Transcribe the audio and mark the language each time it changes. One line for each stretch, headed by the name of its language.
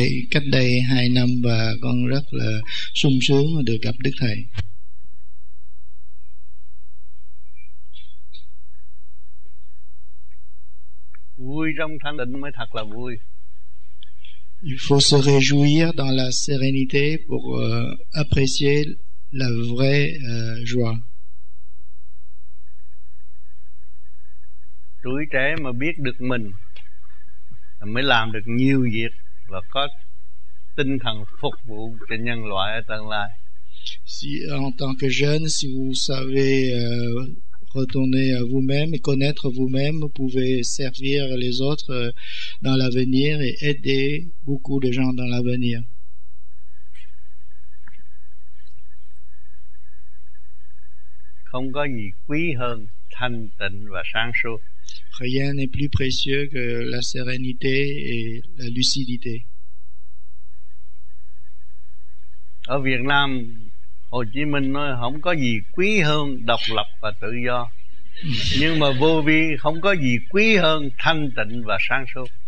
Vietnamese: Cách đây 2 năm và con rất là sung sướng được gặp Đức Thầy. Vui trong thanh định mới thật là vui.
French: Il faut se réjouir dans la sérénité pour apprécier la vraie joie.
Vietnamese: Tuổi trẻ mà biết được mình mới làm được nhiều việc và có tinh thần phục vụ cho nhân loại ở tương lai.
French: Si en tant que jeune, si vous savez retourner à vous-même et connaître vous-même, vous pouvez servir les autres dans l'avenir et aider beaucoup de gens dans l'avenir.
Vietnamese: Không có gì quý hơn thanh tịnh và sáng suốt.
French: Rien n'est plus précieux que la sérénité et la lucidité.
Vietnamese: Ở Việt Nam, Hồ Chí Minh nói không có gì quý hơn độc lập và tự do. Nhưng mà vô vi không có gì quý hơn thanh tịnh và sáng suốt.